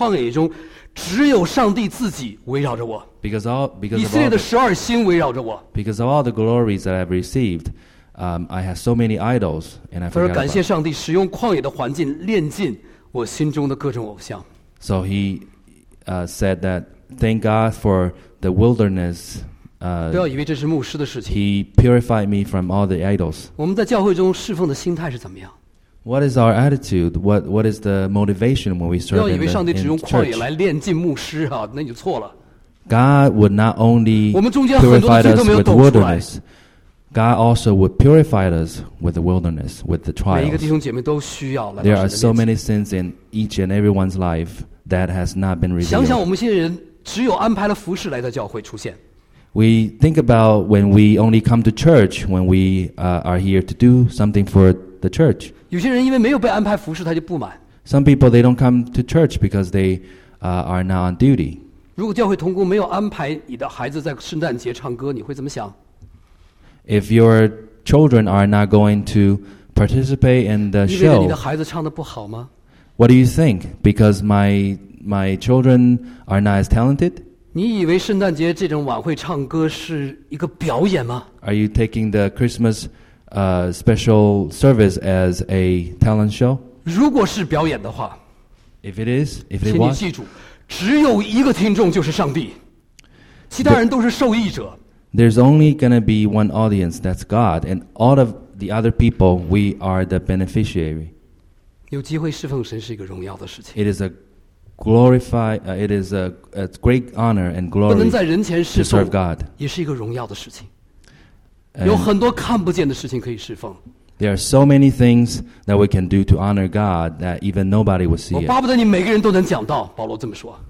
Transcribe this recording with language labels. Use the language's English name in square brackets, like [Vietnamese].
[Chinese] 他说：“我过去有太多的偶像和花环，但是现在旷野中，只有上帝自己围绕着我。” [English] Because of all the glories that I've received, I have so many idols, and I forgot. [Chinese] 他说：“感谢上帝，使用旷野的环境炼尽我心中的各种偶像。” [English] So he said that. Thank God for the wilderness. He purified me from all the idols. What is our attitude? What is the motivation when we serve in the church? God would not only purify us with the wilderness, God also would purify us with the wilderness, with the trials. There are so many sins in each and everyone's life that has not been revealed. [Chinese] 只有安排了服事来到教会出现。 [English] We think about when we only come to church, when we are here to do something for the church. [Chinese] 有些人因为没有被安排服事，他就不满。 [English] Some people, they don't come to church because they are not on duty. [Chinese] 如果教会同工没有安排你的孩子在圣诞节唱歌，你会怎么想？ [English] If your children are not going to participate in the show, [Chinese] 你以为你的孩子唱得不好吗？ [English] What do you think? Because my children are not as talented? [Chinese] 你以为圣诞节这种晚会唱歌是一个表演吗？ [English] Are you taking the Christmas special service as a talent show? [Chinese] 如果是表演的话, [English] If it was, [Chinese] 请你记住, 只有一个听众就是上帝, 其他人都是受益者。 [English] There's only going to be one audience, that's God, and all of the other people, we are the beneficiary. [Chinese] 有机会侍奉神是一个荣耀的事情。 [English] It is a great honor and glory [Chinese] 不能在人前侍奉, [English] to serve God. [Chinese] 也是一个荣耀的事情。有很多看不见的事情可以侍奉。 [English] There are so many things that we can do to honor God that even nobody will see it. [Chinese] 我巴不得你每个人都能讲到, 保罗这么说。